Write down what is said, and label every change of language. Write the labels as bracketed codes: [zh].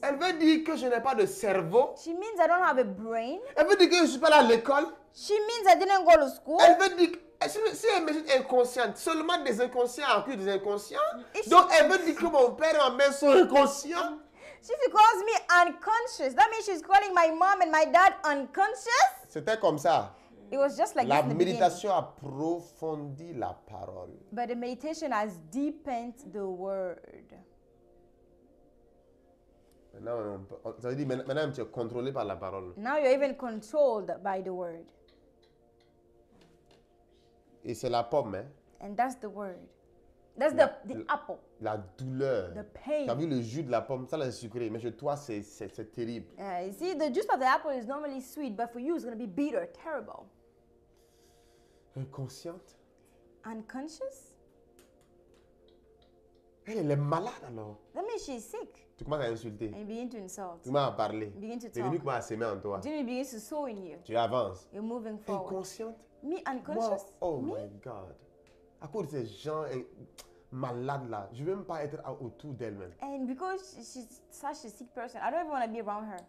[fr] Elle veut dire que je n'ai pas de cerveau. [en] She means I don't have a brain. [fr] Elle veut dire que je ne suis pas là à l'école. [en] She means I didn't go to school. [fr] Elle veut dire que... Si elle me dit inconsciente, seulement des inconscients accusent des inconscients. Donc elle veut dire que mon père et ma mère sont inconscients. [en] She calls me unconscious. That means she's calling my mom and my dad unconscious. [fr] C'était comme ça. [en] It was just like [fr] la méditation a approfondi la parole. [en] But the meditation has deepened the word. [fr] Maintenant, ça veut dire maintenant tu es contrôlé par la parole. [en] Now you're even controlled by the word. [fr] Et c'est la pomme, hein? [en] And that's the word. That's the apple. [fr] La douleur. [en] The pain. [fr] T'as vu le jus de la pomme? Ça, c'est sucré. Mais chez toi, c'est terrible. [en] You see, the juice of the apple is normally sweet, but for you, it's going to be bitter, terrible. [fr] Inconsciente. [en] Unconscious. [fr] Elle est malade, alors. [en] That means she's sick. [fr] Tu commences à insulter. [en] And you begin to insult. [fr] Tu commences à parler. [en] You begin to talk. [fr] L'ennemi commence à semer en toi. [en] Genie begins to sow in you. [fr] Tu avances. [en] You're moving forward. [fr] Inconsciente. [en] Me unconscious. Wow. Oh me? My God. [fr] À cause de ces gens malades là, je ne veux même pas être autour d'elle-même. [en] And because she's such a sick person, I don't even want to be around her.